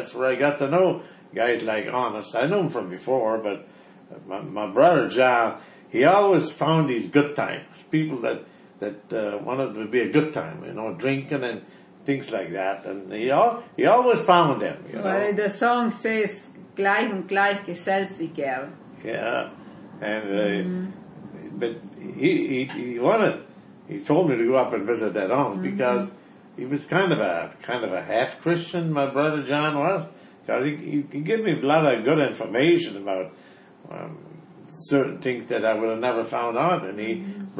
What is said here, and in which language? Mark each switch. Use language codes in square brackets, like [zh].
[en] That's where I got to know guys like Honest. I knew him from before, but my brother John, he always found these good times, people that wanted to be a good time, you know, drinking and things like that. And he always found them, you know. [de] Well, the song says, "Gleich und gleich gesellt sich gern." [en] Yeah. And mm-hmm. but he told me to go up and visit that home, mm-hmm. because he was kind of a half Christian, my brother John was, because he gave me a lot of good information about certain things that I would have never found out, and he mm-hmm.